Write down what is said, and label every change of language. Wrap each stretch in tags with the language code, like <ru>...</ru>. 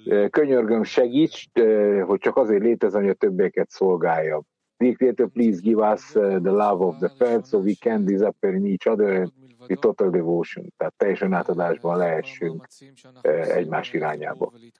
<hu>Könyörgöm, segíts, hogy csak azért létezem, hogy a többieket szolgáljam.</hu> <en>Dear Creator, please give us the love of the felt so we can disappear in each other. The total devotion,</en> <hu>tehát teljesen átadásban lehessünk egymás irányába.</hu>